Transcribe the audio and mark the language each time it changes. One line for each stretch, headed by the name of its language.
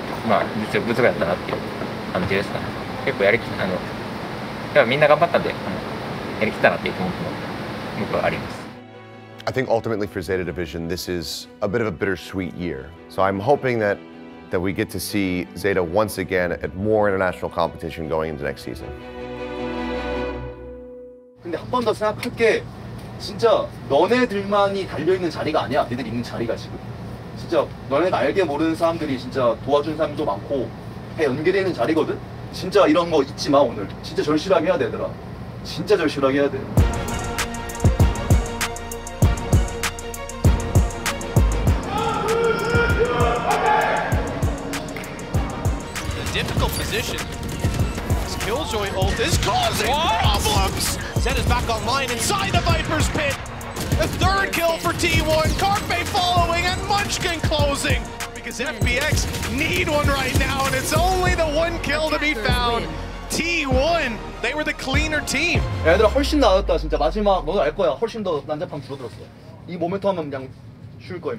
Japanese: まあ、後悔とかも特にないですね。この状態、この体勢でできることは全部やったし、いろいろ試してきて、これがベストの形で、ベストの形で通用しなくて、まあ、実力不足だったなっていう感じですかね。結構やりき、ではみんな頑張ったんで、やりきったなっていう気持ちも僕はあります。
English: I think ultimately for Zeta Division, this is a bit of a bittersweet year. So I'm hoping that we get to see Zeta once again at more international competition going into next season.
Korean: 근데 한 번 더 생각할게. 진짜 너네들만이 달려 있는 자리가 아니야. 너네들 있는 자리가 지금 진짜 너네 알게 모르는 사람들이 진짜 도와준 사람도 많고 다 연결되어 있는 자리거든. 진짜 이런 거 잊지 마 오늘. 진짜 절실하게 해야 돼, 얘들아. 진짜 절실하게 해야 돼.
English: Difficult position. This Killjoy ult is causing problems. Zed is back online inside the Viper's pit. The third kill for T1. Carpe following and Munchkin closing. Because FBX need one right now, and it's only the one kill to be found. T1, they were the cleaner team.
Korean: 얘들아 훨씬 나았다 진짜 마지막 너도 알 거야 훨씬 더 난잡함 줄어들었어 이 모멘트 하면 그냥 쉴 거야